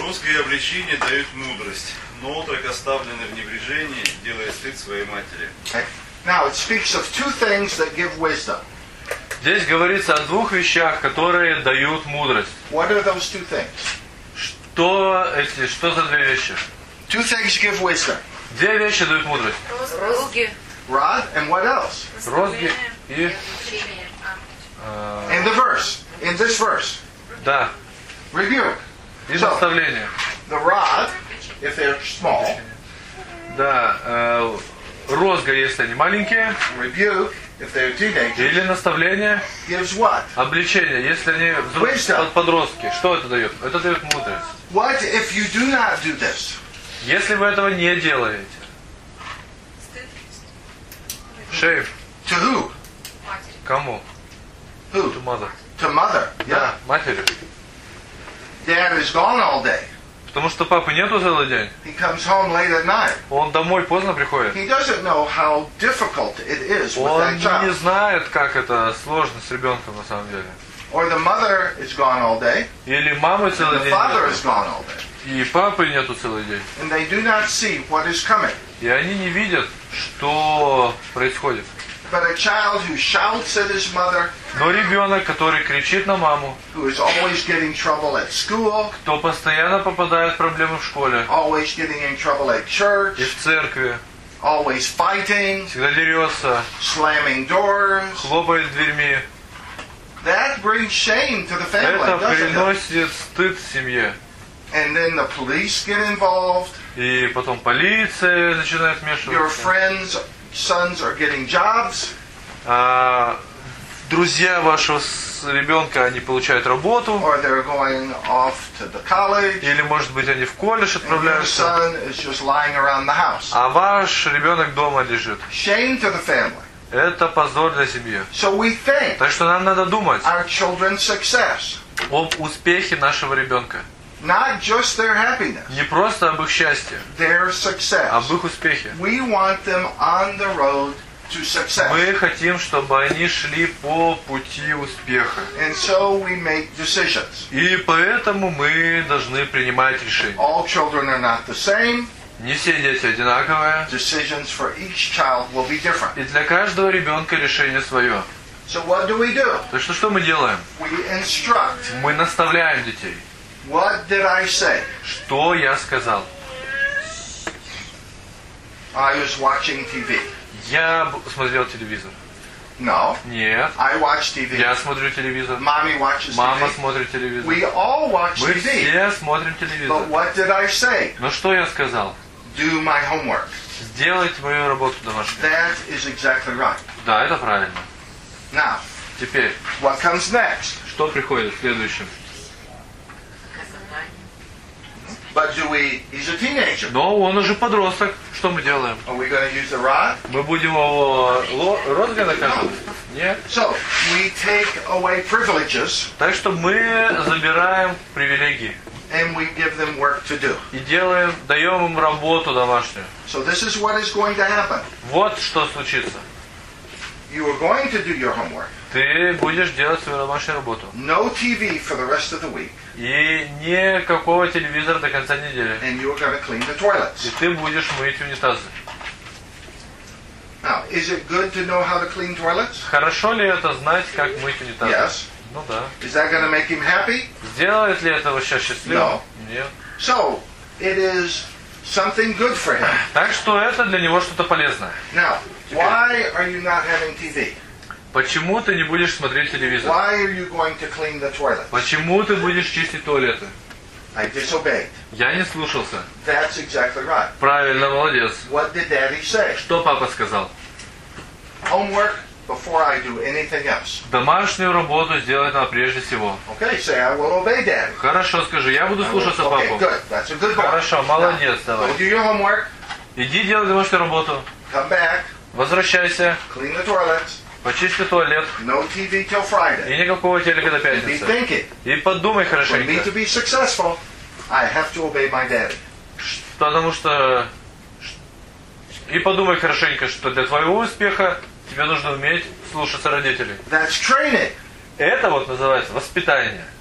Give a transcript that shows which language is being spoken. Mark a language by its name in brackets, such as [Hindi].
[Russian] Русские обличения дают мудрость, но отрок, оставленный в небрежении, делает стыд своей матери. [English] Okay. Now it speaks of two things that give wisdom. [Russian] Здесь говорится о двух вещах, которые дают мудрость. [English] What are those two things? [Russian] Что за две вещи? [English] Two things give wisdom. [Russian] Две вещи дают мудрость. Розги. [English] Rod and what else? [Russian] Розги и [English] In the verse, in this verse. [Russian] Да. [English] Rebuke. [Russian] И наставление. [English] The rod, if they're small. [Russian] Да. Розга, если они маленькие. [English] Rebuke, if they're teenagers. [Russian] Или наставление. [English] Gives what? [Russian] Обличение, если они подростки. Что это дает? Это дает мудрость. [English] What if you do not do this? [Russian] Если вы этого не делаете. [English] Shame. To who? Кому? Who? To mother. To mother. Yeah. [Russian] Да, матери. [English] Dad is gone all day. [Russian] Потому что папы нету целый день. [English] He comes home late at night. [Russian] Он домой поздно приходит. [English] He doesn't know how difficult it is [Russian] Он [English] with that child. [Russian] Не знает, как это сложно с ребенком на самом деле. [English] Or the mother is gone all day. [Russian] Или мамы целый день. [English] The father is gone all day. [Russian] И папы нету целый день. [English] And they do not see what is coming. [Russian] И они не видят, что происходит. [English] But a child who shouts at his mother, [Russian] но ребенок, который кричит на маму, [English] who is always getting trouble at school, [Russian] кто постоянно попадает в проблемы в школе, [English] always getting in trouble at church, [Russian] и в церкви, [English] always fighting, [Russian] всегда дерется, [English] slamming doors, [Russian] хлопает дверьми, [English] that brings shame to the family, [Russian] это приносит стыд семье. [English] And then the police get involved. [Russian] И потом полиция начинает вмешиваться. [English] Your friends. Sons are getting jobs. [Russian] Друзья вашего ребенка, они получают работу. [English] Or they're going off to the college. [Russian] Или, может быть, они в колледж отправляются. [English] And your son is just lying around the house. [Russian] А ваш ребенок дома лежит. [English] Shame to the family. [Russian] Это позор для семьи. [English] So we think. [Russian] Так что нам надо думать. [English] Our children's success. [Russian] Об успехе нашего ребенка. [English] Not just their happiness. [Russian] Не просто об их счастье. [English] Their success. [Russian] Об их успехе. [English] We want them on the road to success. [Russian] Мы хотим, чтобы они шли по пути успеха. [English] And so we make decisions. [Russian] И поэтому мы должны принимать решения. [English] All children are not the same. [Russian] Не все дети одинаковые. [English] Decisions for each child will be different. [Russian] И для каждого ребенка решение свое. [English] So what do we do? [Russian] То есть что мы делаем? [English] We instruct. [Russian] Мы наставляем детей. [English] What did I say? [Russian] Что я сказал? [English] I was watching TV. [Russian] Я смотрел телевизор. [English] No. [Russian] Нет. [English] I watch TV. [Russian] Я смотрю телевизор. [English] Mommy watches TV. [Russian] Мама смотрит телевизор. [English] We all watch [Russian] Мы [English] TV. [Russian] Все смотрим телевизор. [English] But what did I say? [Russian] Но что я сказал? [English] Do my homework. [Russian] Сделайте мою работу домашнюю. [English] That is exactly right. [Russian] Да, это правильно. [English] Now. [Russian] Теперь. [English] What comes next? [Russian] Что приходит в следующем? [English] But do we? He's a teenager. [Russian] Но он уже подросток. Что мы делаем? [English] Are we going to use the rod? [Russian] Мы будем его розгой наказывать? Нет. [English] So we take away privileges. [Russian] Так что мы забираем привилегии. [English] And we give them work to do. [Russian] И делаем, даем им работу домашнюю. [English] So this is what is going to happen. [Russian] Вот что случится. [English] You are going to do your homework. [Russian] Ты будешь делать свою домашнюю работу. [English] No TV for the rest of the week. [Russian] И никакого телевизора до конца недели. [English] And you are going to clean the toilets. [Russian] И ты будешь мыть унитазы. [English] Now, is it good to know how to clean toilets? [Russian] Хорошо ли это знать, как мыть унитазы? [English] Yes. [Russian] Ну да. [English] Is that going to make him happy? [Russian] Сделает ли это его сейчас счастливым? [English] No. [Russian] Нет. [English] So, it is something good for him. [Russian] Так что это для него что-то полезное. [English] Now, why are you not having TV? [Russian] Почему ты не будешь смотреть телевизор? [English] Why are you going to clean the toilets? [Russian] Почему ты будешь чистить туалеты? [English] I disobeyed. [Russian] Я не слушался. [English] That's exactly right. [Russian] Правильно, молодец. [English] What did Daddy say? [Russian] Что папа сказал? [English] Homework before I do anything else. [Russian] Домашнюю работу сделать надо прежде всего. [English] Okay, say I will obey Daddy. [Russian] Хорошо, скажи, я буду слушаться [English] okay, [Russian] папу. [English] Good. That's a good boy. [Russian] Хорошо, молодец, [English] now, [Russian] давай. [English] Go do your homework. [Russian] Иди делай домашнюю работу. [English] Come back. [Russian] Возвращайся. [English] Clean the toilets. [Russian] Почисти туалет. [English] No TV till Friday. [Russian] И никакого телека до пятницы. [English] And rethink it. [Russian] И подумай хорошенько. [English] For me to be successful, I have to obey my daddy. [Russian] Потому что... И подумай хорошенько, что для твоего успеха тебе нужно уметь слушаться родителей. [English] That's training. [Russian] Это вот называется воспитание.